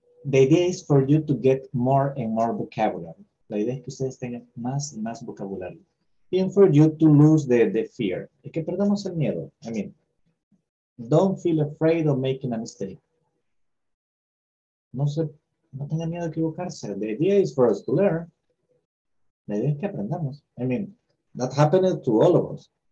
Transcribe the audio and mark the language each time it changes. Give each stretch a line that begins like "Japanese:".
English: The idea is for you to get more and more vocabulary.
Spanish: La idea es que ustedes tengan más y más vocabulario.
English: And for you to lose the fear.
Spanish: Y que perdamos el miedo.
English: I mean, don't feel afraid of making a mistake.
Spanish: No tengan miedo a equivocarse.
English: The idea is for us to learn.
Spanish: La idea es que aprendamos.
English: I mean, that happened to all of us.